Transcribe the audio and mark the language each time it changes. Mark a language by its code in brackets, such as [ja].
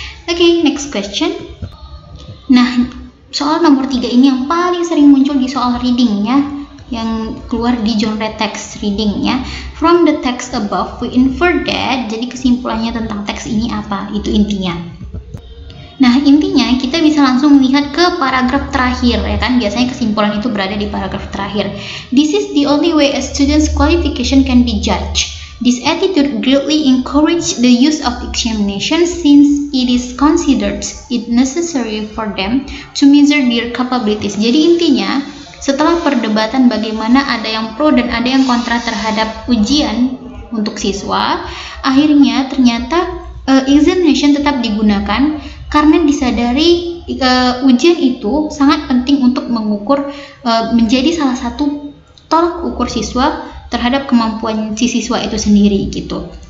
[id] Oke, [en] next question. [id] Nah, soal nomor 3 ini yang paling sering muncul di soal reading ya, yang keluar di genre text reading ya. [en] From the text above, we infer that, [id] jadi kesimpulannya tentang teks ini apa, itu intinya. Nah, intinya kita bisa langsung melihat ke paragraf terakhir, ya kan? Biasanya kesimpulan itu berada di paragraf terakhir. [en] This is the only way a student's qualification can be judged. This attitude greatly encourages the use of examination since it is considered it necessary for them to measure their capabilities. [id] Jadi intinya, setelah perdebatan bagaimana ada yang pro dan ada yang kontra terhadap ujian untuk siswa, akhirnya ternyata examination tetap digunakan karena disadari ujian itu sangat penting untuk mengukur, menjadi salah satu tolak ukur siswa terhadap kemampuan si siswa itu sendiri gitu.